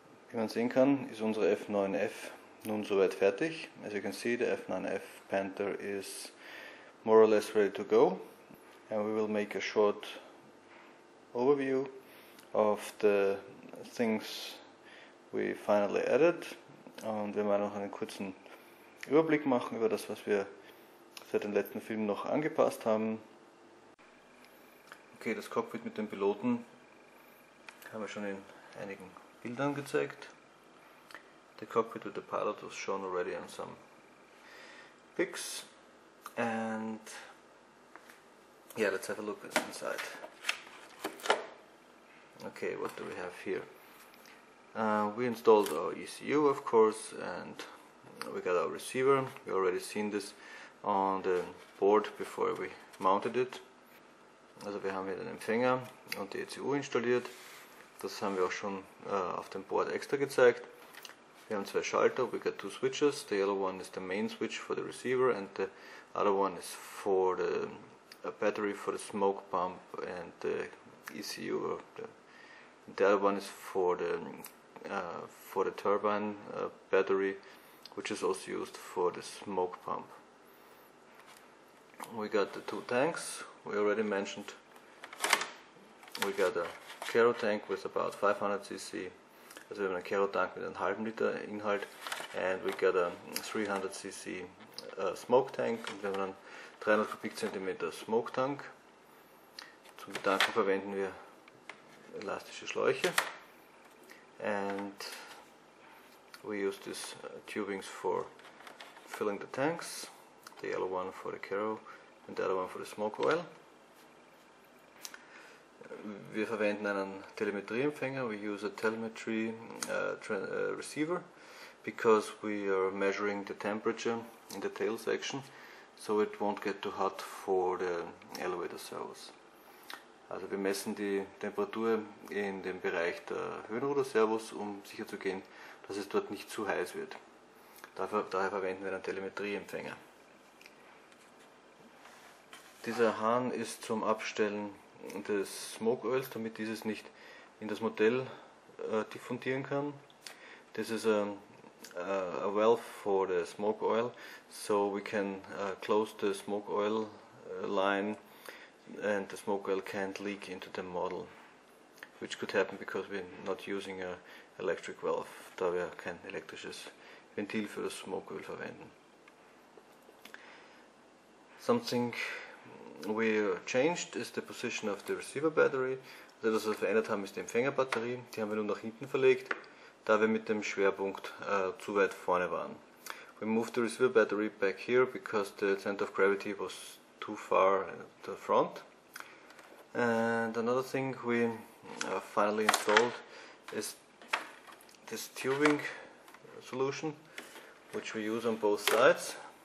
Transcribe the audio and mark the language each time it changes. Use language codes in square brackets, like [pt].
[de] Wie man sehen kann, ist unsere F9F nun soweit fertig. [en] As you can see, the F9F Panther is more or less ready to go. And we will make a short overview of the things we finally added. [de] Und wir werden noch einen kurzen Überblick machen über das, was wir seit dem letzten Film noch angepasst haben. Okay, das Cockpit mit dem Piloten haben wir schon in einigen Bildern gezeigt. [en] The cockpit with the pilot was shown already on some pics. And yeah, let's have a look inside. Okay, what do we have here? We installed our ECU, of course, and we got our receiver. We already seen this on the board before we mounted it. [de] Also wir haben hier den Empfänger und die ECU installiert. Das haben wir auch schon auf dem Board extra gezeigt. Wir haben zwei Schalter, [en] we got two switches. The yellow one is the main switch for the receiver and the other one is for the battery for the smoke pump and the ECU. The other one is for the turbine battery, which is also used for the smoke pump. We got the two tanks, we already mentioned. We got a Kero tank with about 500 cc. [de] Also wir haben einen Kero tank mit einem halben Liter Inhalt. [en] And we got a 300 cc smoke tank. [de] Und wir haben einen 300 Kubikzentimeter smoke tank. Zum Betanken verwenden wir elastische Schläuche. [en] And we use these tubings for filling the tanks. The yellow one for the Kero and the other one for the smoke oil. [de] Wir verwenden einen Telemetrieempfänger. [en] We use a telemetry receiver because we are measuring the temperature in the tail section so it won't get too hot for the elevator servos. [de] Also wir messen die Temperatur in dem Bereich der Höhenruderservos, um sicherzugehen, dass es dort nicht zu heiß wird. Daher verwenden wir einen Telemetrieempfänger. Dieser Hahn ist zum Abstellen des Smoke Oils, damit dieses nicht in das Modell diffundieren kann. [en] This is a valve for the smoke oil, so we can close the smoke oil line and the smoke oil can't leak into the model. Which could happen because we're not using an electric valve, [de] da wir kein elektrisches Ventil für das Smoke Oil verwenden. [en] Something we changed is the position of the receiver battery. [de] Also das, was wir verändert haben, ist die Empfängerbatterie. Die haben wir nun nach hinten verlegt, da wir mit dem Schwerpunkt zu weit vorne waren. [en] We moved the receiver battery back here because the center of gravity was too far at the front. And another thing we finally installed is this tubing solution, which we use on both sides.